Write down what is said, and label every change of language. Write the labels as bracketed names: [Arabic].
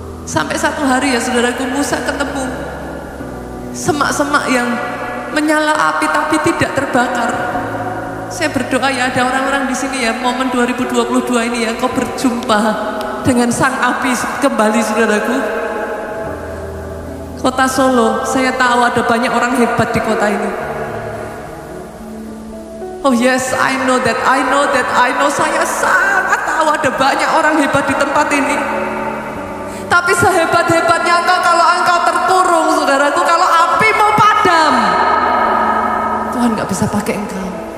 [Indonesian] Sampai satu hari ya saudaraku, Musa ketemu semak-semak yang menyala api tapi tidak terbakar. Saya berdoa ya ada orang-orang di sini ya, momen 2022 ini ya, kau berjumpa dengan sang api kembali saudaraku. Kota Solo, saya tahu ada banyak orang hebat di kota ini. [English] Oh yes, I know that, I know that, I know. [Indonesian] Saya sangat tahu ada banyak orang hebat di tempat ini. Tapi sehebat-hebatnya engkau, kalau engkau terkurung, saudaraku, kalau api mau padam, Tuhan gak bisa pakai engkau.